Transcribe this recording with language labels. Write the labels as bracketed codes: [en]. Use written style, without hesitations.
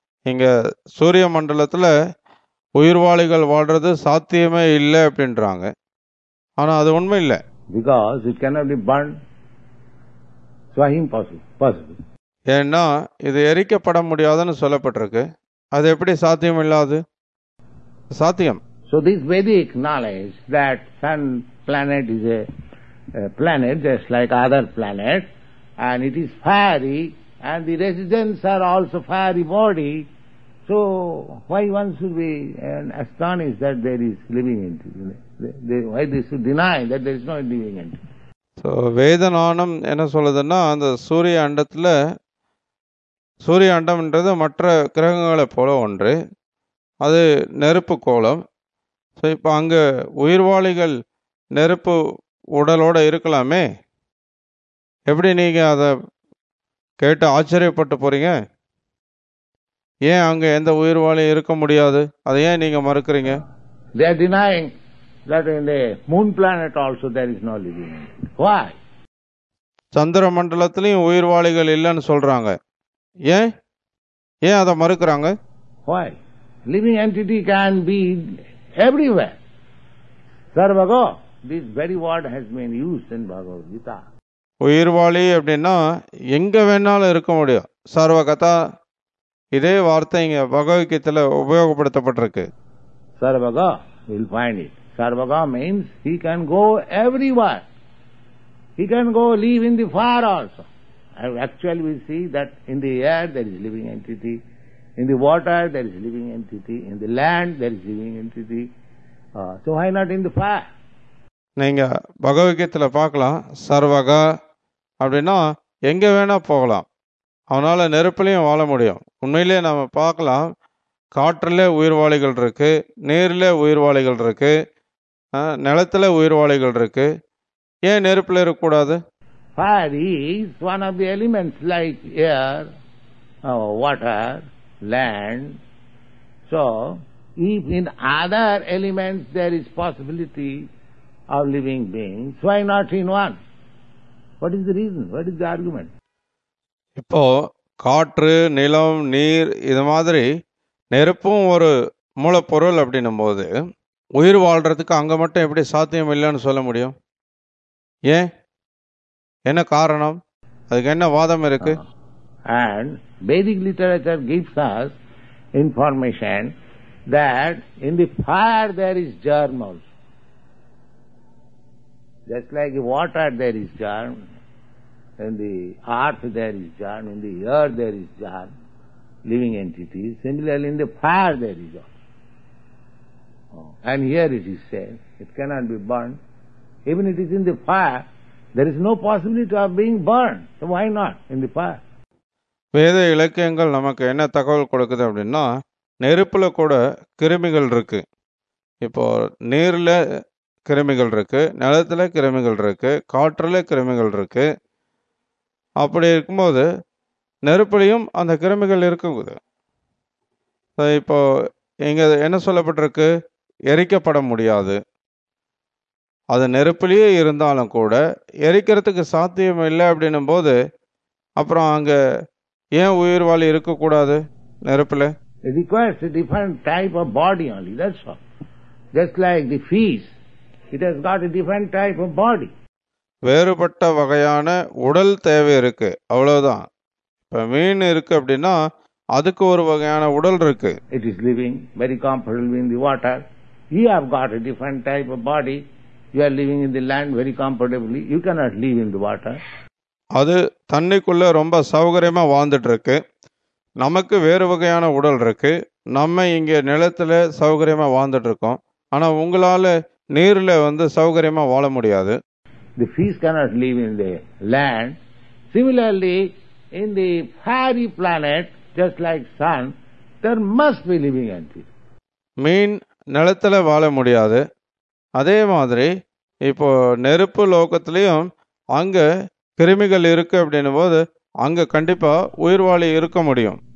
[ta] இங்க சூரிய மண்டலத்துல உயிர்வாளிகள் வாழ்றது சாத்தியமே இல்லை அப்படின்றாங்க. ஆனா அது உண்மை இல்லை. [en] Because it cannot be burned, so impossible. [ta] ஏன்னா இது எரிக்கப்பட முடியாதுன்னு சொல்லப்பட்டிருக்கு. அது எப்படி சாத்தியம் இல்லாது சாத்தியம்? [en] So this Vedic knowledge that sun planet is a planet just like other planet and it is fiery and the residents are also fiery body, so why one should be astonished that there is living entity? Why they should deny that there is no living entity? [ta] So Vedanam enna solladana and surya andathile சூரிய அண்டம்ன்றது மற்ற கிரகங்களைப் போல ஒன்று, அது நெருப்பு கோளம். So இப்போ அங்கே உயிர்வாளிகள் நெருப்பு உடலோடு இருக்கலாமே, எப்படி நீங்கள் அதை கேட்டு ஆச்சரியப்பட்டு போகிறீங்க? ஏன் அங்கே எந்த உயிர்வாளியும் இருக்க முடியாது, அதை ஏன் நீங்கள் மறுக்கிறீங்க? [en] They are denying that in the moon planet also there is no living. Why? [ta] சந்திர மண்டலத்திலையும் உயிர்வாளிகள் இல்லைன்னு சொல்கிறாங்க, ஏன் அதை மறுக்கிறாங்க? [en] Why? Living entity can be everywhere. Sarvago, this very word has been used in Bhagavad Gita. [ta] உயிர்வாளி அப்படின்னா எங்க வேணாலும் இருக்க முடியும். சர்வகதா, இதே வார்த்தை இங்க பகவத் கீதையில உபயோகப்படுத்தப்பட்டிருக்கு. [en] Sarvago, we'll find it. Sarvago means he can go everywhere. He can go live in the fire also. Actually, we see that in the air there is living entity, in the water there is living entity, in the land there is living entity. So why not in the fire? [ta] நீங்க பகவத் கீதையில பார்க்கலாம், சர்வக அப்படின்னா எங்க வேணா போகலாம், அவனால நெருப்புலையும் வாழ முடியும். உண்மையிலே நாம பார்க்கலாம், காற்றுல உயிர்வாளிகள் இருக்கு, நீர்ல உயிர்வாளிகள் இருக்கு, நிலத்துல உயிர்வாளிகள் இருக்கு, ஏன் நெருப்புல இருக்கக்கூடாது? [en] Fire is one of the elements like air, water, land. So, if in other elements there is possibility of living beings, why not in one? What is the reason? What is the argument? [ta] இப்போ காற்று, நிலம், நீர் இது மாதிரி நெருப்பும் ஒரு மூலப்பொருள் அப்படின்னும் போது உயிர் வாழ்றதுக்கு அங்க மட்டும் எப்படி சாத்தியம் இல்லைன்னு சொல்ல முடியும்? ஏன், என்ன காரணம், அதுக்கு என்ன வாதம் இருக்கு? [en] And Vedic literature gives us information that in the fire there is germ also. Just like water there is germ, in the earth there is germ, in the air there is germ, living entities. Similarly, in the fire there is also. And here it is said, it cannot be burned. Even it is in the fire, there is no possibility of being burned. So why not in the fire? [ta] வேத இலக்கியங்கள் நமக்கு என்ன தகவல் கொடுக்குது அப்படின்னா, நெருப்புல கூட கிருமிகள் இருக்கு. இப்போ நீர்ல கிருமிகள் இருக்கு, நிலத்துல கிருமிகள் இருக்கு, காற்றுல கிருமிகள் இருக்கு. அப்படி இருக்கும்போது நெருப்புலையும் அந்த கிருமிகள் இருக்குது. இப்போ இங்க என்ன சொல்லப்பட்டிருக்கு, எரிக்கப்பட முடியாது. அது நெருப்புலயே இருந்தாலும் கூட எரிக்கிறதுக்கு சாத்தியம் இல்லை அப்படின்னும் போது அப்புறம் அங்க ஏன் உயிர் வாழி இருக்க கூடாது நெருப்புல? [en] It requires a different type of body only, that's all. Just like the fish, it has got a different type of body. [ta] வேறுபட்ட வகையான உடல் தேவை இருக்கு, அவ்வளவுதான். இப்ப மீன் இருக்கு அப்படின்னா அதுக்கு ஒரு வகையான உடல் இருக்கு. [en] It is living, very comfortable in the water. You have got a different type of body. You are living in the land very comfortably. You cannot live in the water. [ta] அது தண்ணிக்குள்ள ரொம்ப சௌகரியமா வாழ்ந்துட்டு இருக்கு. நமக்கு வேறு வகையான உடல் இருக்கு. நம்ம இங்க நிலத்துல சௌகரியமா வாழ்ந்துட்டு இருக்கோம். ஆனா உங்களால நீர்ல வந்து சௌகரியமா வாழ முடியாது. [en] The fish cannot live in the land. Similarly, in the fiery planet, just like sun, there must be living entity. [ta] மீன் நிலத்துல வாழ முடியாது. அதே மாதிரி இப்போ நெருப்பு லோகத்திலையும் அங்க கிருமிகள் இருக்கு அப்படின்னும் போது அங்க கண்டிப்பா உயிர்வாளி இருக்க முடியும்.